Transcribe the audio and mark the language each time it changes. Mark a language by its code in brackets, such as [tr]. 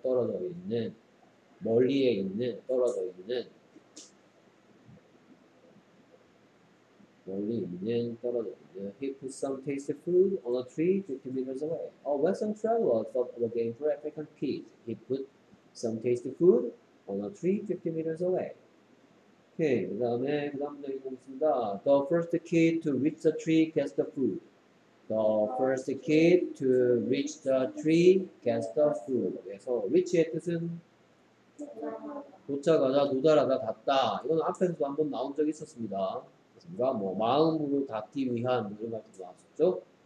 [ko] 떨어져 있는, 멀리에 있는, 떨어져 있는, 멀리 있는, 떨어져 있는. [en] He put some tasty food on a tree 50 meters away. A Western traveler thought of a game for African kids. He put some tasty food on a tree 50 meters away. [ko] 오케이, 그 다음에 그 다음 문장이 있습니다. [en] The first kid to reach the tree gets the food. The first kid to reach the tree gets the food. [ko] 그래서 reach의 뜻은 도착하자, 도달하다, 닿다. 이건 앞에서도 한번 나온 적이 있었습니다. 그렇습니까? 뭐 마음으로 닿기 위한 이런 말도 나왔었죠.